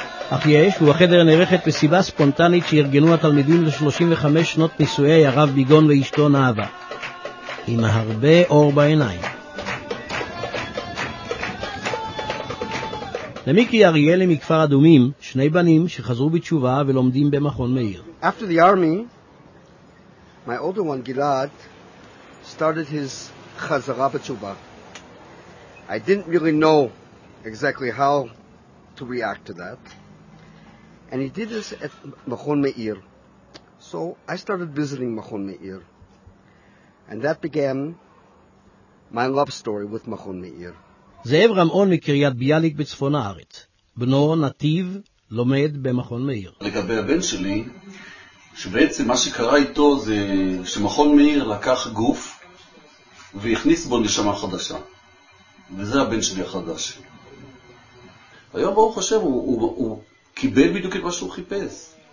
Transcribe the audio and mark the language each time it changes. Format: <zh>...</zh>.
<he>אך יש, ובחדר נערכת מסיבה ספונטנית שארגנו התלמידים ל-35 שנות נישואי הרב ביגון ואשתו נאווה, עם הרבה אור בעיניים. למיקי אריאלי מכפר אדומים, שני בנים שחזרו בתשובה ולומדים במכון מאיר.</he> <en>After the army, my older one, Gilad, started his חזרה בתשובה. I didn't really know exactly how to react to that. And he did this at Machon Meir. So I started visiting Machon Meir. And that began my love story with Machon Meir.</en> <he>זאב רמאון מקריית ביאליק בצפון הארץ. בנו נתיב לומד במכון מאיר. לגבי הבן שלי, שבעצם מה שקרה איתו זה שמכון מאיר לקח גוף והכניס בו נשמה חדשה. וזה הבן שלי החדש. היום ברוך השם הוא קיבל בדיוק את מה שהוא חיפש.</he>